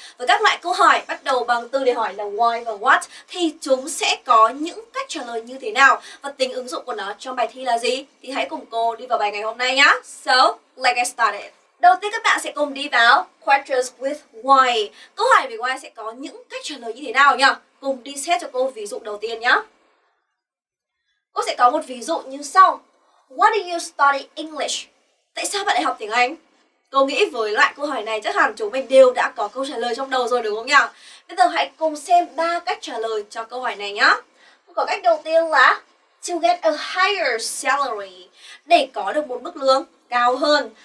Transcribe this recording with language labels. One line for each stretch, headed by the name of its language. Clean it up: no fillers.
Vietnamese: Với các loại câu hỏi bắt đầu bằng từ để hỏi là Why và What thì chúng sẽ có những cách trả lời như thế nào và tính ứng dụng của nó trong bài thi là gì? Thì hãy cùng cô đi vào bài ngày hôm nay nhá.
English: So, let's get started.
Vietnamese: Đầu tiên các bạn sẽ cùng đi vào
English: Questions with Why.
Vietnamese: Câu hỏi về Why sẽ có những cách trả lời như thế nào nhỉ? Cùng đi xét cho cô ví dụ đầu tiên nhá. Cô sẽ có một ví dụ như sau.
English: What do you study English?
Vietnamese: Tại sao bạn lại học tiếng Anh? Cô nghĩ với loại câu hỏi này chắc hẳn chúng mình đều đã có câu trả lời trong đầu rồi đúng không nhỉ? Bây giờ hãy cùng xem 3 cách trả lời cho câu hỏi này nhá. Có cách đầu tiên là
English: to get a higher salary,
Vietnamese: để có được một mức lương cao hơn.